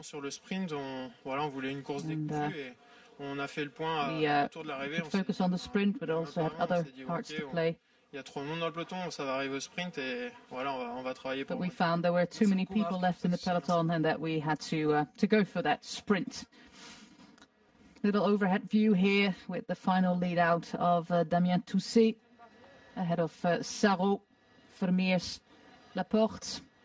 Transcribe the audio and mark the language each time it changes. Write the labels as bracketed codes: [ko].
[fr] Sur le sprint, on voulait une course d'écoute et on a fait le point autour de l'arrivée. [en] We focused on the sprint, but also had other parts to play. [fr] Il y a trop de monde dans le peloton, ça va arriver au sprint et voilà, on va travailler pour. [en] But we found there were too many people left in the peloton and that we had to go for that sprint. Little overhead view here with the final lead out of Damien Toussé ahead of Sarro, Vermeers, Laporte.